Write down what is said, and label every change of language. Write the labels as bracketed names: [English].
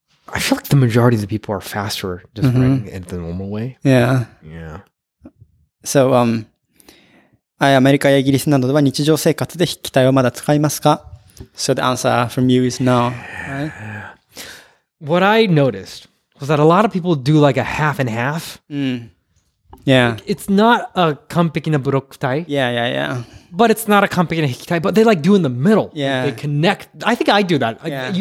[English] I feel like the majority of the people are faster just writing in the normal way. Yeah. Yeah. [Japanese] So, アメリカやイギリスなどでは日常生活で筆記体をまだ使いますか? [English] So the answer from you is no. Right? What I noticed was that a lot of people do like a half and half. Yeah. Like, it's not a [Japanese] 完璧なブロック体. [English] Yeah. But it's not a [Japanese] 完璧な筆記体, [English] but they like do in the middle. Yeah. They connect. I think I do that. Yeah.